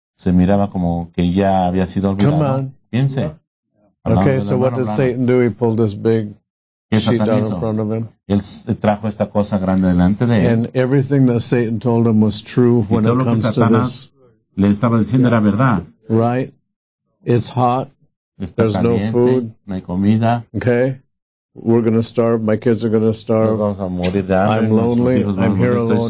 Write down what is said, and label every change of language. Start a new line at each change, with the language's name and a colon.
Spanish: Se miraba como que ya había sido olvidado.
English: Come on.
Spanish: Piense.
English: Yeah. Okay, so what did Satan do? He pulled this big...
Spanish: Él trajo esta cosa grande delante de él.
English: And everything that Satan told him was true when it comes to this.
Spanish: Le estaba diciendo era verdad.
English: Right? It's hot. There's no food.
Spanish: No hay comida.
English: Okay? We're gonna starve. My kids are gonna starve.
Spanish: Vamos a morir de hambre.
English: I'm lonely. I'm here alone.